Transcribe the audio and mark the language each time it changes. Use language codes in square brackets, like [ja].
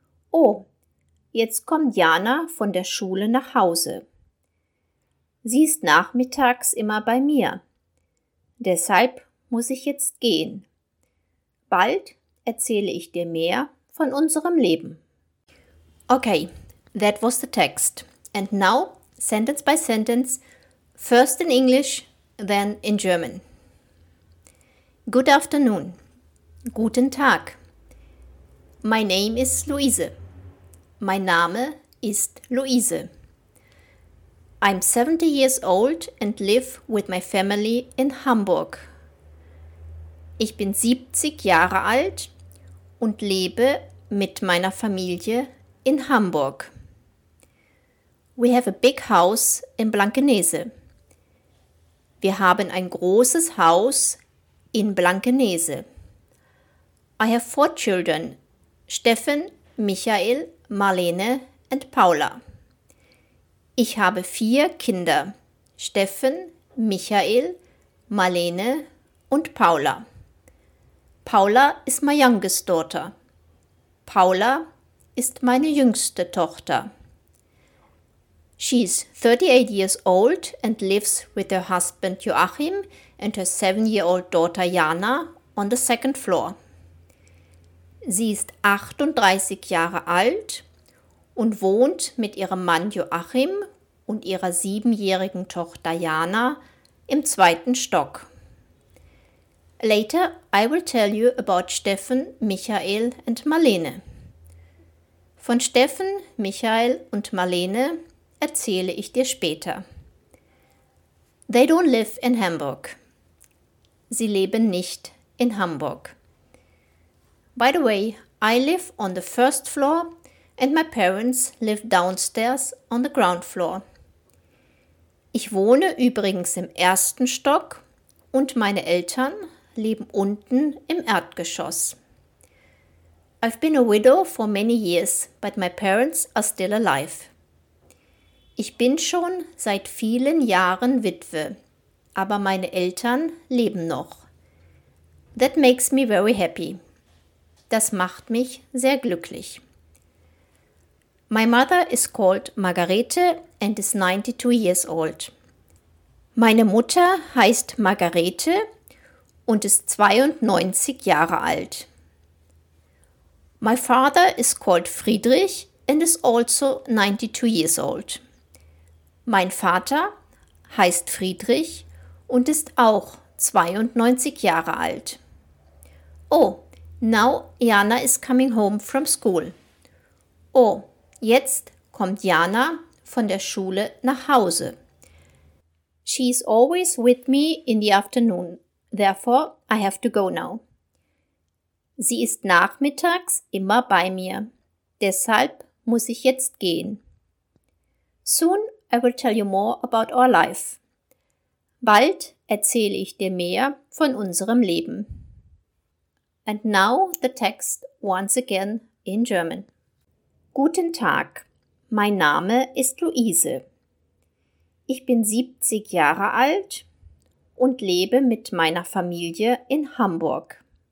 [de] Oh, jetzt kommt Jana von der Schule nach Hause. Sie ist nachmittags immer bei mir. Deshalb muss ich jetzt gehen. Bald erzähle ich dir mehr von unserem Leben. [en] Okay, that was the text. And now, sentence by sentence, first in English, then in German. Good afternoon. [de] Guten Tag. [en] My name is Luise. [de] Mein Name ist Luise. [en] I'm 70 years old and live with my family in Hamburg. [de] Ich bin 70 Jahre alt und lebe mit meiner Familie in Hamburg. [en] We have a big house in Blankenese. [de] Wir haben ein großes Haus in Blankenese. [en] I have four children, Steffen, Michael, Marlene and Paula. [de] Ich habe vier Kinder, Steffen, Michael, Marlene und Paula. [en] Paula ist my youngest daughter. [de] Paula ist meine jüngste Tochter. [en] She is 38 years old and lives with her husband Joachim and her 7-year-old daughter Jana on the second floor. [de] Sie ist 38 Jahre alt und wohnt mit ihrem Mann Joachim und ihrer siebenjährigen Tochter Jana im zweiten Stock. [en] Later, I will tell you about Steffen, Michael and Marlene. [de] Von Steffen, Michael und Marlene erzähle ich dir später. [en] They don't live in Hamburg. [de] Sie leben nicht in Hamburg. [en] By the way, I live on the first floor and my parents live downstairs on the ground floor. [de] Ich wohne übrigens im ersten Stock und meine Eltern leben unten im Erdgeschoss. [en] I've been a widow for many years, but my parents are still alive. [de] Ich bin schon seit vielen Jahren Witwe, aber meine Eltern leben noch. [en] That makes me very happy. [de] Das macht mich sehr glücklich. [en] My mother is called Margarete and is 92 years old. [de] Meine Mutter heißt Margarete und ist 92 Jahre alt. [en] My father is called Friedrich and is also 92 years old. [de] Mein Vater heißt Friedrich und ist auch 92 Jahre alt. [en] Oh, now Jana is coming home from school. [de] Oh, jetzt kommt Jana von der Schule nach Hause. [en] She is always with me in the afternoon. Therefore, I have to go now. [de] Sie ist nachmittags immer bei mir. Deshalb muss ich jetzt gehen. [en] Soon I will tell you more about our life. [de] Bald erzähle ich dir mehr von unserem Leben. [en] And now the text once again in German. [de] Guten Tag, mein Name ist Luise. Ich bin 70 Jahre alt und lebe mit meiner Familie in Hamburg.